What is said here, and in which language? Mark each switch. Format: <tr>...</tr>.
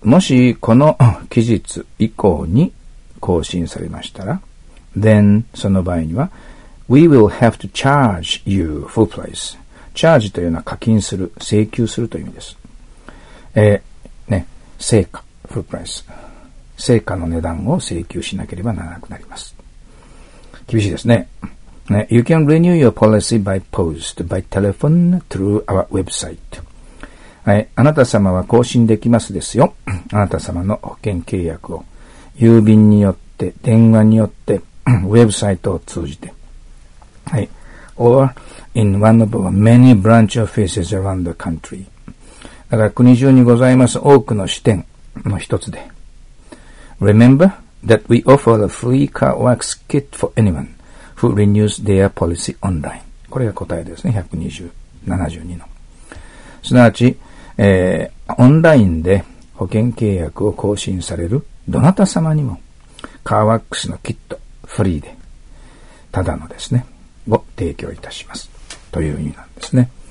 <ja>もしこの期日以降に更新されましたら、then その場合には、</ja> <en>we will have to charge you full price.</en> <ja>charge というのは課金する、請求するという意味です。ね、成果、full price。成果の値段を請求しなければならなくなります。厳しいですね。</ja> <en>ね、you can renew your policy by post, by telephone, through our website.</en> <ja>あなた様は更新できますですよ。あなた様の保険契約を。郵便によって、電話によって、ウェブサイトを通じて。はい。</ja> <en>or in one of our many branch offices around the country.</en> <ja>だから国中にございます多くの支店の一つで。</ja> <en>Remember that we offer a free car wax kit for anyone who renews their policy online.</en> <ja>これが答えですね。172の。すなわち、オンラインで保険契約を更新されるどなた様にも、カーワックスのキット、フリーで、ただのですね、を提供いたします。という意味なんですね。</ja>